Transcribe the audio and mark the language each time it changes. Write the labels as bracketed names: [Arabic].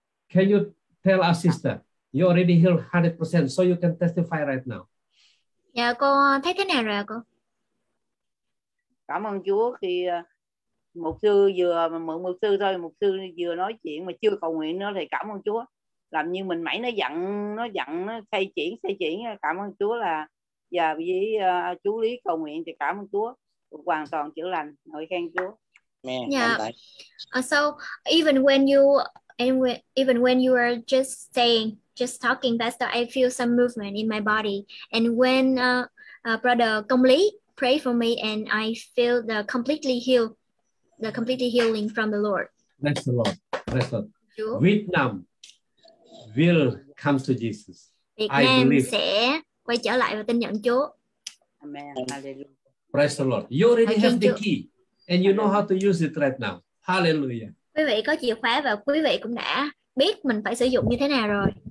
[English] Can you tell our sister you already healed 100%, so you can testify right now? [Vietnamese] Dạ cô thấy thế nào rồi cô? Cảm ơn Chúa khi mục sư vừa mượn mục sư thôi, mục sư vừa nói chuyện mà chưa cầu nguyện nữa, thì cảm ơn Chúa làm như mình mẩy nó giận nó xây chuyển. Cảm ơn Chúa là và với chú Lý cầu nguyện thì cảm ơn Chúa hoàn toàn chữa lành, ngợi khen Chúa. [English] Yeah. So even when you are just saying, just talking, Pastor, I feel some movement in my body. And when Brother Công Lý pray for me, and I feel the completely healing from the Lord. Bless the Lord. Bless the Lord. Vietnam will come to Jesus. [Vietnamese] Vietnam sẽ quay trở lại và tin nhận Chúa. [English] Amen. Praise the Lord. You already have the key, and you know how to use it right now. Hallelujah. [Vietnamese] Quý vị có chìa khóa và quý vị cũng đã biết mình phải sử dụng như thế nào rồi.